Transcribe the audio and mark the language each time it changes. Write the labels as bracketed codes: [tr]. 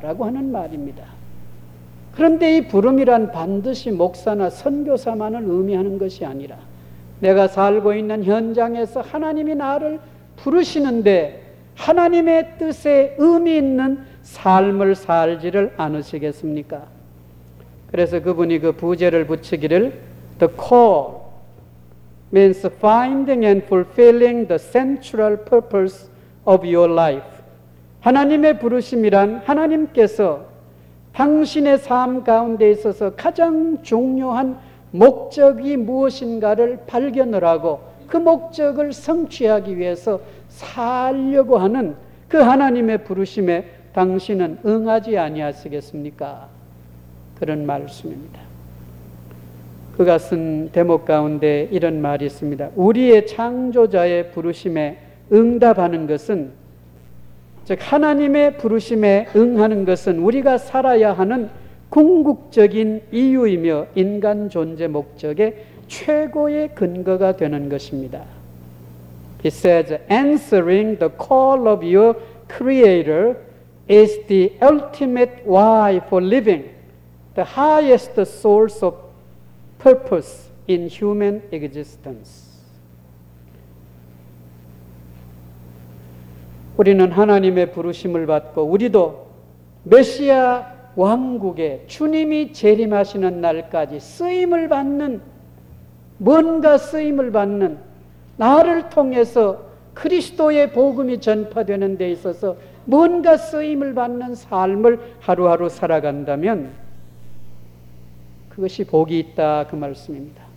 [ko] 라고 하는 말입니다. 그런데 이 부름이란 반드시 목사나 선교사만을 의미하는 것이 아니라 내가 살고 있는 현장에서 하나님이 나를 부르시는데 하나님의 뜻에 의미 있는 삶을 살지를 않으시겠습니까? 그래서 그분이 그 부제를 붙이기를 [en] The call means finding and fulfilling the central purpose of your life. [ko] 하나님의 부르심이란 하나님께서 당신의 삶 가운데 있어서 가장 중요한 목적이 무엇인가를 발견을 하고 그 목적을 성취하기 위해서 살려고 하는 그 하나님의 부르심에 당신은 응하지 아니하시겠습니까? 그런 말씀입니다. 그가 쓴 대목 가운데 이런 말이 있습니다. 우리의 창조자의 부르심에 응답하는 것은 즉 하나님의 부르심에 응하는 것은 우리가 살아야 하는 궁극적인 이유이며 인간 존재 목적의 최고의 근거가 되는 것입니다. [en] He says, answering the call of your creator is the ultimate why for living, the highest source of purpose in human existence. [ko] 우리는 하나님의 부르심을 받고 우리도 메시아 왕국에 주님이 재림하시는 날까지 쓰임을 받는 뭔가 쓰임을 받는 나를 통해서 그리스도의 복음이 전파되는 데 있어서 뭔가 쓰임을 받는 삶을 하루하루 살아간다면 그것이 복이 있다 그 말씀입니다.